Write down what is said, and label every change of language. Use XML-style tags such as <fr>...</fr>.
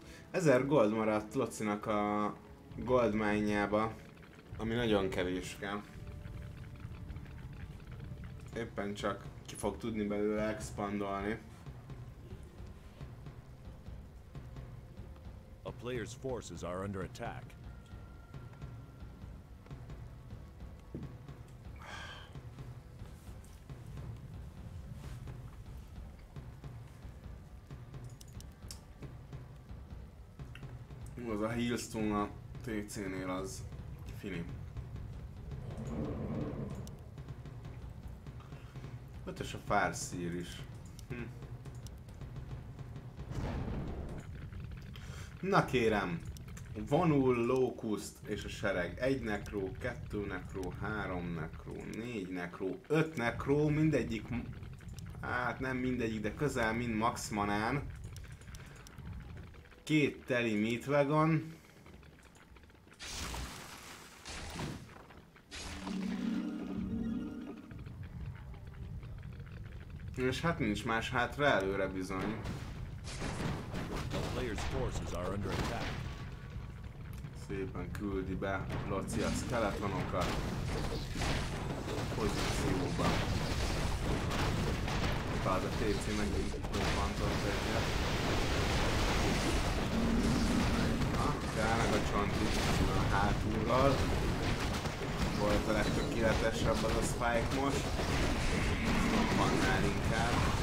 <hu>Ezer gold maradt Locinak a gold mine-jába, ami nagyon kevés kell. Éppen csak ki fog tudni belőle expandolni.</hu> <en>A player's forces are under attack.</en> <hu>Az a Healstone a TC-nél az finim. 5-ös a Farseer is. Na kérem, vonul Locust és a sereg. Egy nekró, kettő nekró, három nekró, négy nekró, öt nekró, mindegyik... Hát nem mindegyik, de közel mind max manán. Két teli meat wagon. És hát nincs más hátra, előre bizony.</hu> <en>A player's forces are under attack.</en> <hu>Szépen küldi be Loci a skeletonokat pozícióba. Bár a TC megint robbantott egyet. Na, tényleg a csontit a hátulral. Volt a legtökéletesebb az a spike most. Annál inkább.</hu>